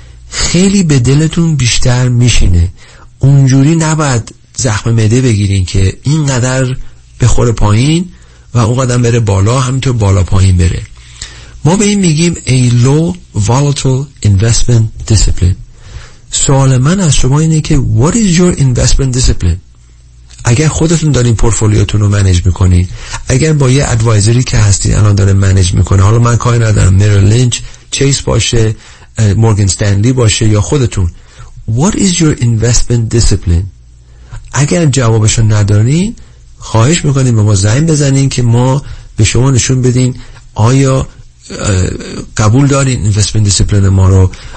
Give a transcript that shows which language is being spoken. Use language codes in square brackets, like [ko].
[fa] خیلی به دلتون بیشتر میشینه، اونجوری نباید زخم معده بگیرین که اینقدر بخوره پایین و اونقدر بره بالا، همینطور بالا پایین بره. ما به این میگیم [en] a low volatile investment discipline. [fa] سوال من از شما اینه که [en] what is your investment discipline؟ [fa] اگر خودتون دارین پورتفولیوتون رو منیج میکنین، اگر با یه ادوایزری که هستین الان داره منیج میکنه، حالا من کاری ندارم مریل لینچ، چیس باشه، مورگن استنلی باشه، یا خودتون، what is your [en] investment discipline؟ [fa] اگر جوابش رو ندارین، خواهش میکنیم به ما زنگ بزنین که ما به شما نشون بدین آیا قبول دارین investment discipline ما رو.